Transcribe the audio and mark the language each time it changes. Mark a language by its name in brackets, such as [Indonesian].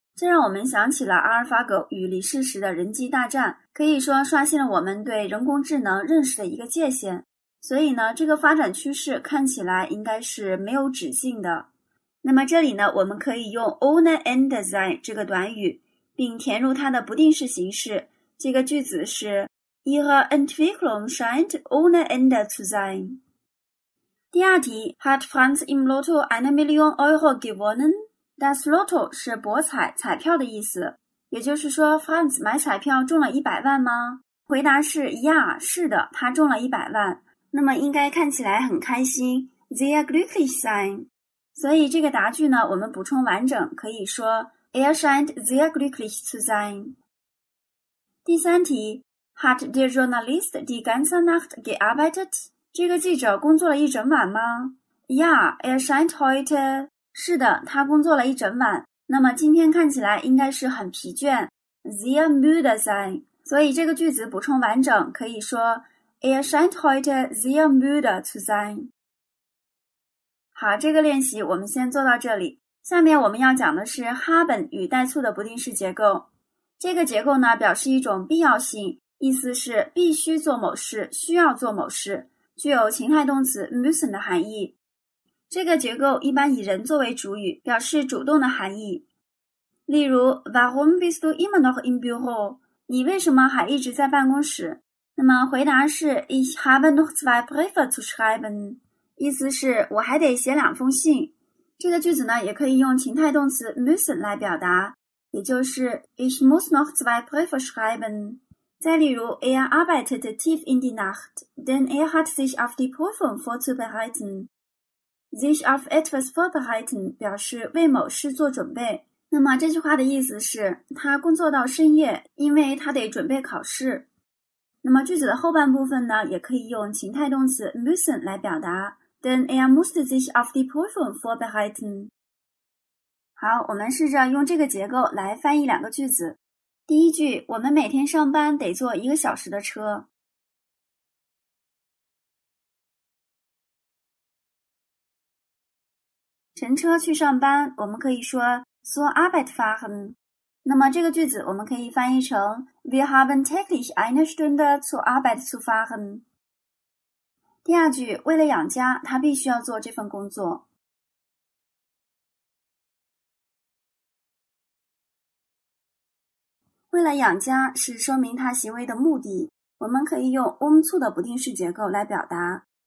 [Chinese] 这让我们想起了阿尔法狗与李世石的人机大战，可以说刷新了我们对人工智能认识的一个界限。所以呢，这个发展趋势看起来应该是没有止境的。那么这里呢，我们可以用 [German] ohne Ende sein [Chinese] 这个短语，并填入它的不定式形式。这个句子是 [German] Ihre Entwicklung scheint ohne Ende zu sein。 [Chinese] 第二题 [German] ,Hat Franz im Lotto eine Million Euro gewonnen? [Chinese] Das Lotto 是博彩彩票的意思。也就是说 ,Franz 买彩票中了100万吗？回答是 , [German] Ja, [Chinese] 是的，他中了100万。那么应该看起来很开心 , [German] Sehr glücklich sein。 [Chinese] 所以这个答句呢，我们补充完整可以说 , [German] Er scheint sehr glücklich zu sein。 [Chinese] 第三题 [German] ,Hat der Journalist die ganze Nacht gearbeitet? [Chinese] 这个记者工作了一整晚吗？ [German] Ja, er scheint heute. [Chinese] 是的，他工作了一整晚。那么今天看起来应该是很疲倦。 [German] Sehr müde sein. [Chinese] 所以这个句子补充完整可以说 [German] Er scheint heute sehr müde zu sein. [Chinese] 好，这个练习我们先做到这里。下面我们要讲的是 haben 与带促的不定式结构。这个结构呢表示一种必要性，意思是必须做某事，需要做某事。具有情态动词 müssen 的含义。这个结构一般以人作为主语，表示主动的含义。例如 [German] Warum bist du immer noch im Büro? [Chinese] 你为什么还一直在办公室？那么回答是 [German] Ich habe noch zwei Briefe zu schreiben。 [Chinese] 意思是我还得写两封信。这个句子呢也可以用情态动词 müssen 来表达，也就是 [German] Ich muss noch zwei Briefe schreiben。 [Chinese] 再例如 [German] ,Er arbeitet tief in die Nacht, denn er hat sich auf die Prüfung vorzubereiten. Sich auf etwas vorbereiten [Chinese] 表示为某事做准备。那么这句话的意思是他工作到深夜，因为他得准备考试。那么句子的后半部分呢也可以用情态动词 müssen 来表达， [German] denn er musste sich auf die Prüfung vorbereiten. [Chinese] 好，我们试着用这个结构来翻译两个句子。第一句，我们每天上班得坐一个小时的车。乘车去上班，我们可以说 [German] zur Arbeit fahren。 [Chinese] 那么这个句子我们可以翻译成 [German] Wir haben täglich eine Stunde zur Arbeit zu fahren。 [Chinese] 第二句，为了养家，他必须要做这份工作。为了养家是说明他行为的目的，我们可以用 um zu 的不定式结构来表达。